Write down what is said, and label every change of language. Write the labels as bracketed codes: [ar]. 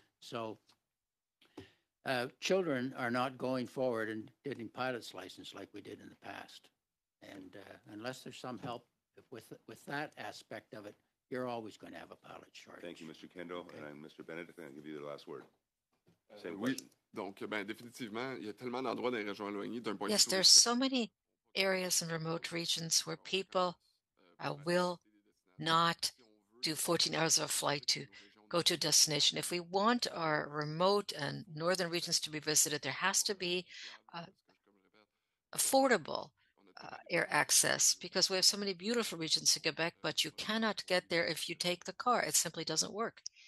[en] So children are not going forward and getting pilot's license like we did in the past. And unless there's some help with that aspect of it, you're always going to have a pilot shortage. Thank you, Mr. Kendall. Okay. And Mr. Benedict, I'll give you the last word. Same question. [fr] Oui. Donc, ben, définitivement, il y a tellement d'endroits dans les régions éloignées d'un point. [en] Yes, there's so many areas and remote regions where people will not do 14 hours of a flight to go to a destination. If we want our remote and northern regions to be visited, there has to be affordable air access, because we have so many beautiful regions in Quebec, but you cannot get there if you take the car. It simply doesn't work.